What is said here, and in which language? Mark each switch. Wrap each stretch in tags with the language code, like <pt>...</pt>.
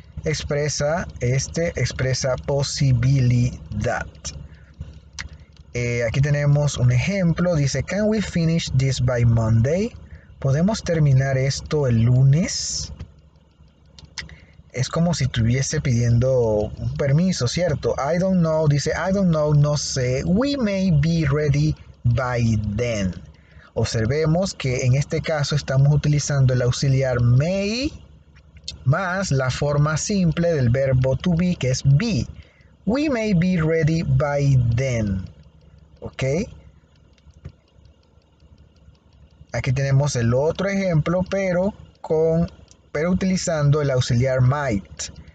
<es>Expresa posibilidad. Aquí tenemos un ejemplo, dice,</es> <en>can we finish this by Monday?</en> <es>¿Podemos terminar esto el lunes? Es como si estuviese pidiendo un permiso, ¿cierto?</es> <en>I don't know, dice, I don't know,</en> <es>no sé,</es> <en>we may be ready by then.</en> <es>Observemos que en este caso estamos utilizando el auxiliar may más la forma simple del verbo to be, que es be.</es> <en>We may be ready by then.</en> <es>Ok, aquí tenemos el otro ejemplo, pero utilizando el auxiliar might.</es>